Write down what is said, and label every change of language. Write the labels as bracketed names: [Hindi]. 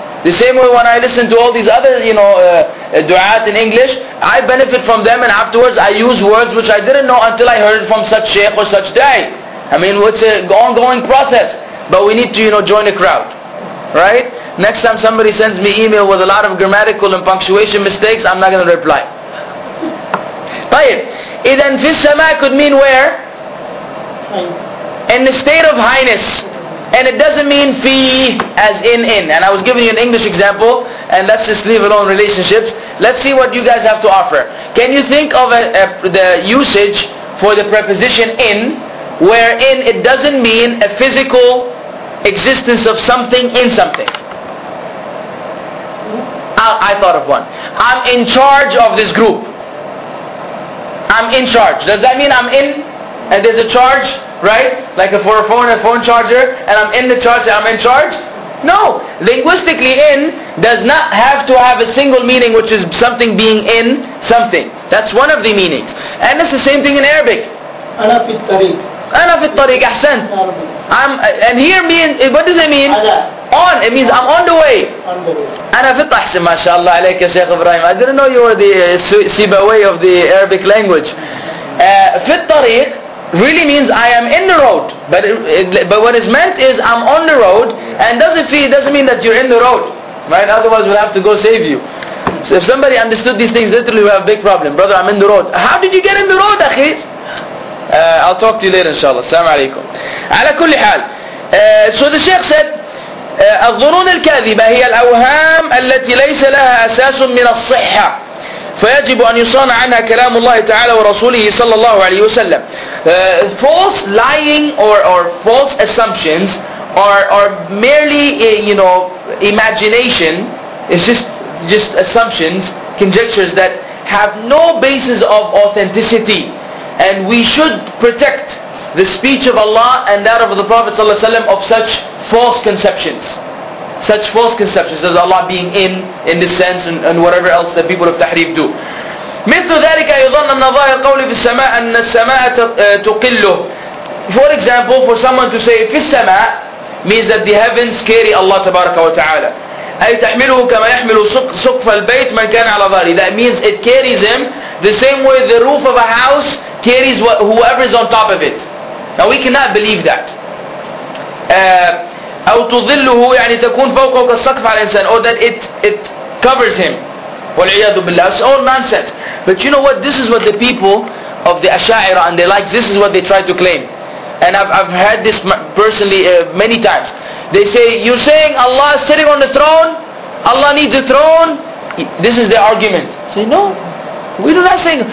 [English] The same way when I listen to all these other, you know, du'at in English, I benefit from them, and afterwards I use words which I didn't know until I heard it from such shaykh or such da'i. I mean, it's an ongoing process, but we need to, you know, join a crowd, right? Next time somebody sends me email with a lot of grammatical and punctuation mistakes, I'm not going to reply. [Arabic] طيب, إذن في السماء [English] could mean where? In the state of highness. And it doesn't mean fi as in. And I was giving you an English example, and let's just leave it on relationships. Let's see what you guys have to offer. Can you think of the usage for the preposition in, wherein it doesn't mean a physical existence of something in something? I thought of one. I'm in charge of this group. I'm in charge. Does that mean I'm in and there's a charge, right? Like for a phone charger, and I'm in the charge, I'm in charge? No. Linguistically, in does not have to have a single meaning, which is something being in something. That's one of the meanings. And it's the same thing in Arabic. [Arabic] أنا في الطريق. أنا في الطريق أحسن. [English] I'm, and here mean, what does it mean? On. It means I'm on the way. On the way. [Arabic] أنا في mashallah عليك يا شيخ إبراهيم. [English] I didn't know you were the Sibawi of the Arabic language. [Arabic] في الطريق [English] really means I am in the road. But what is meant is I'm on the road, and doesn't mean that you're in the road, right? Otherwise we'll have to go save you. So if somebody understood these things literally, we have a big problem. Brother, I'm in the road. How did you get in the road, akhi? I'll talk to you later, inshallah. Assalamu alaikum. Ala kulli hal. So the Shaykh said, [Arabic] الظنون الكاذبة هي الأوهام التي ليس لها أساس من الصحة فيجب أن يصان عنها كلام الله تعالى ورسوله صلى الله عليه وسلم. [English] False lying or false assumptions are merely, you know, imagination. It's just assumptions, conjectures that have no basis of authenticity. And we should protect the speech of Allah and that of the Prophet ﷺ of such false conceptions. Such false conceptions as Allah being in this sense and whatever else that people of tahrif do. [Arabic] مثل ذلك أيضاً أن ظاهر قول في السماء أن السماء تقله. [English] For example, for someone to say [Arabic] في السماء [English] means that the heavens carry Allah تبارك وتعالى. [Arabic] أي تحمله كما يحمل سقف البيت من كان على ظهره. [English] That means it carries him the same way the roof of a house carries whoever is on top of it. Now we cannot believe that. [Arabic] أو تظله يعني تكون فوقه كالسقف على الإنسان. [English] Or that it covers him. والعياذ بالله. It's all nonsense. But you know what? This is what the people of the Asha'ira and they like. This is what they try to claim. And I've had this personally many times. They say, you're saying Allah is sitting on the throne? Allah needs a throne? This is the argument. Say, no. We do not say.